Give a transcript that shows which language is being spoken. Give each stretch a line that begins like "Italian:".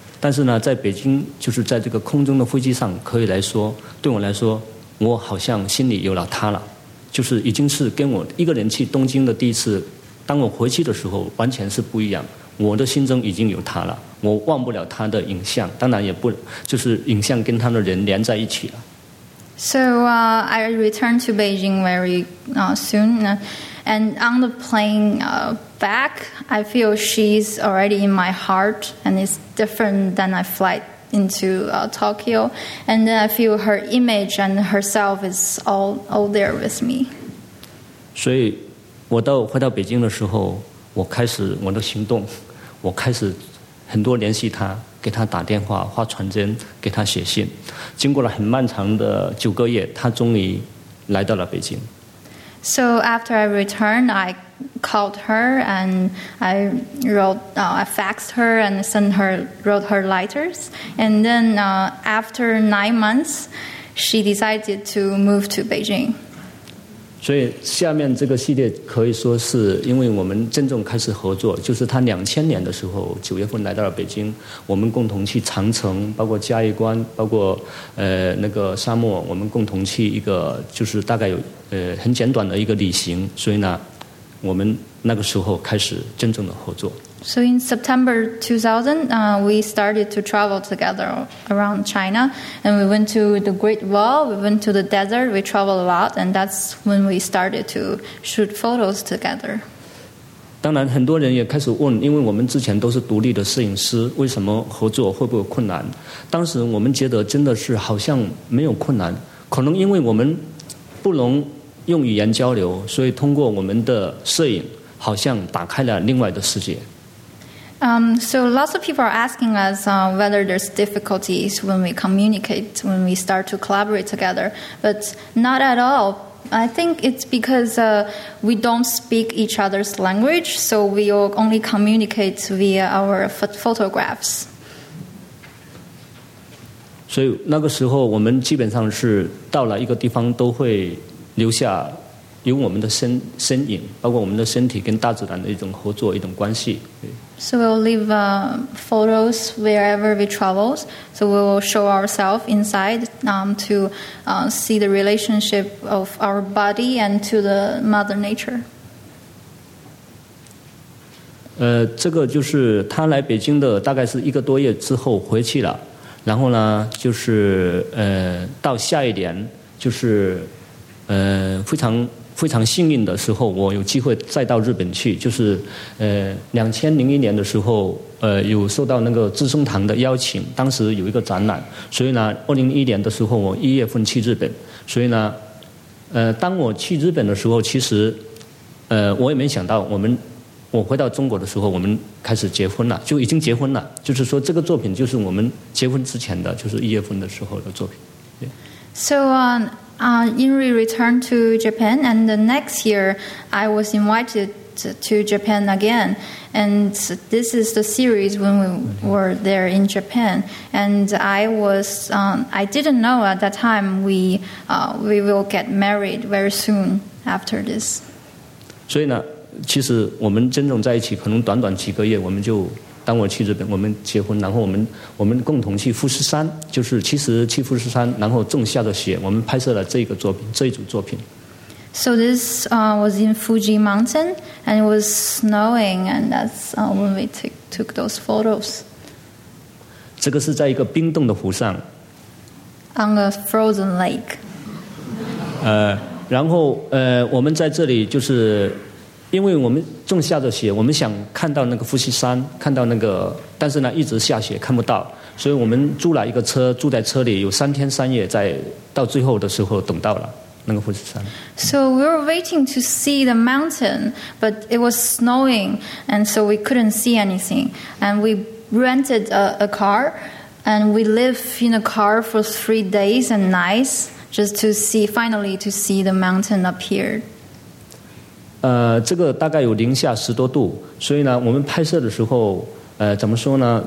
Chinese: 但是呢，在北京，就是在这个空中的飞机上，可以来说，对我来说，我好像心里有了他了，就是已经是跟我一个人去东京的第一次，当我回去的时候，完全是不一样。我的心中已经有他了，我忘不了他的影像，当然也不就是影像跟他的人连在一起了。
English: So, I returned to Beijing very soon, and on the plane, back, I feel she's already in my heart, and it's different than I fly into Tokyo. And then I feel her image and herself is all there with me.
Chinese: 所以，我到回到北京的时候，我开始我的行动，我开始很多联系她，给她打电话、发传真、给她写信。经过了很漫长的9个月，她终于来到了北京。
English: So after I returned, I called her and I faxed her and wrote her letters. And then after 9 months, she decided to move to Beijing.
Chinese: 所以下面这个系列可以说是因为我们真正开始合作，就是她2000年的时候9月份来到了北京，我们共同去长城，包括嘉峪关，包括那个沙漠，我们共同去一个就是大概有。很简短的一个旅行，所以呢，我们那个时候开始真正的合作。
English: So in September 2000, we started to travel together around China, and we went to the Great Wall, we went to the desert, we traveled a lot, and that's when we started to shoot photos together.
Chinese: 当然，很多人也开始问，因为我们之前都是独立的摄影师，为什么合作会不会困难？当时我们觉得真的是好像没有困难，可能因为我们。不能用语言交流，所以通过我们的摄影，好像打开了另外的世界。
English: So lots of people are asking us whether there's difficulties when we communicate, when we start to collaborate together, but not at all. I think it's because we don't speak each other's language, so we only communicate via our photographs.
Chinese: 所以那个时候我们基本上是到了一个地方都会留下有我们的 身影，包括我们的身体跟大自然的一种合作，一种关系。
English: So we'll leave photos wherever we travel. So we'll show ourselves inside to see the relationship of our body and to the mother nature.
Chinese: 这个就是他来北京的大概是一个多月之后回去了。然后呢，就是到下一年，就是非常非常幸运的时候，我有机会再到日本去。就是2001年的时候，有受到那个资生堂的邀请，当时有一个展览，所以呢，2001年的时候，我1月份去日本。所以呢，当我去日本的时候，其实我也没想到我回到中国的时候，我们开始结婚了，就已经结婚了。就是说，这个作品就是我们结婚之前的，就是1月份的时候的作品。
English: So, Inri returned to Japan, and the next year I was invited to Japan again. And this is the series when we were there in Japan. And I didn't know at that time we will get married very soon after this.
Chinese: 所以呢。其实我们真正在一起可能短短几个月我们就当我去日本，我们结婚，然后我们共同去富士山，就是其实去富士山，然后种下的雪，我们拍摄了这个作品，这一组作品。
English: So this was in Fuji Mountain, and it was snowing, and that's when we took those photos.
Chinese: 这个是在一个冰冻的湖上。
English: On a frozen lake.
Chinese: 然后我们在这里就是。因为我们种下的雪，我们想看到那个富士山，看到那个，但是呢，一直下雪看不到，所以我们租了一个车，住在车里有三天三夜，在到最后的时候等到了那个富士山。
English: So we were waiting to see the mountain, but it was snowing, and so we couldn't see anything. And we rented a car, and we live in a car for 3 days and nights just to see finally to see the mountain appear.
Chinese: 这个大概有零下十多度，所以呢，我们拍摄的时候，怎么说呢？